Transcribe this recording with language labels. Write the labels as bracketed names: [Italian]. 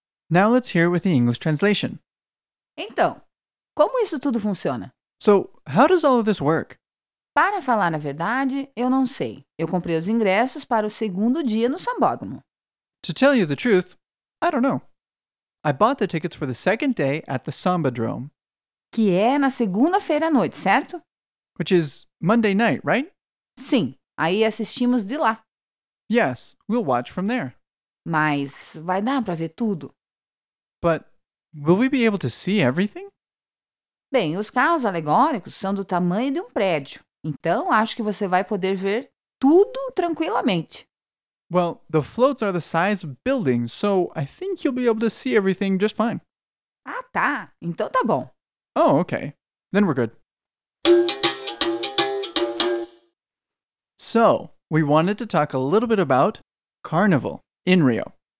[English] Now let's hear it with the English translation. [Portuguese] Então, como isso tudo funciona? [English] So, how does all of this work? [Portuguese] Para falar a verdade, eu não sei. Eu comprei os ingressos para o segundo dia no sambódromo. [English] To tell you the truth, I don't know. I bought the tickets for the second day at the sambódromo. [Portuguese] Que é na segunda-feira à noite, certo? [English] Which is Monday night, right? [Portuguese] Sim. Aí assistimos de lá. [English] Yes, we'll watch from there. [Portuguese] Mas vai dar para ver tudo? [English] But will we be able to see everything? [Portuguese] Bem, os carros alegóricos são do tamanho de um prédio. Então, acho que você vai poder ver tudo tranquilamente. [English] Well, the floats are the size of buildings, so I think you'll be able to see everything just fine. [Portuguese] Ah, tá. Então tá bom. [English] Oh, okay. Then we're good. So, we wanted to talk a little bit about Carnival in Rio.